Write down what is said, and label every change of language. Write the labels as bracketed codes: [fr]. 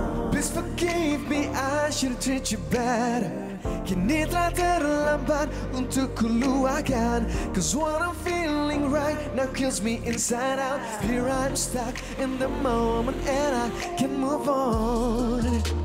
[en] Please forgive me, I should treat you better. [id] Kini telah terlambat untuk kuluakan. [en] Cause what I'm feeling right now kills me inside out. Here I'm stuck in the moment and I can't move on.